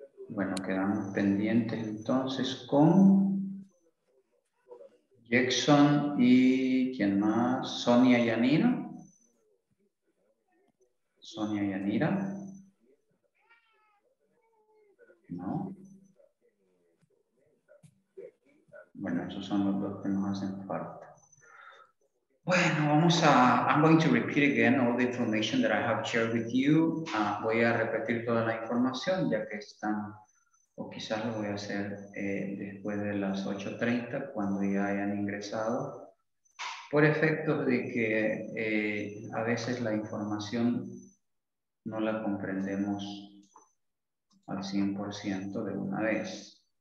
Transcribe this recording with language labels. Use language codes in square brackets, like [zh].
[es] Bueno, quedamos pendientes entonces con Jackson y ¿quién más? Sonia Yanira. Sonia Yanira. Bueno, esos son los dos que nos hacen falta. Bueno, vamos a, [en] I'm going to repeat again all the information that I have shared with you. [es] Voy a repetir toda la información ya que están, o quizás lo voy a hacer después de las 8:30 cuando ya hayan ingresado. Por efectos de que a veces la información no la comprendemos al 100% de una vez.